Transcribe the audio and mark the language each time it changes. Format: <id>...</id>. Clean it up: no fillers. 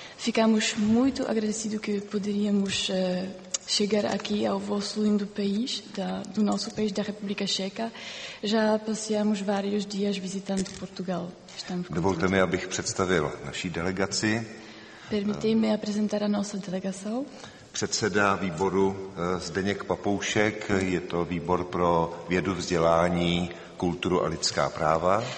<pt>Ficamos muito agradecidos que poderíamos chegar aqui ao vosso lindo país, do nosso país, da República Checa. Já passeamos vários dias visitando Portugal.</pt> <cs>Dovolte mi, abych představil naší delegaci.</cs> <pt>Permitei-me apresentar a nossa delegação.</pt> <cs>Předseda výboru Zdeněk Papoušek, je to výbor pro vědu, vzdělání, kulturu a lidská práva.</cs>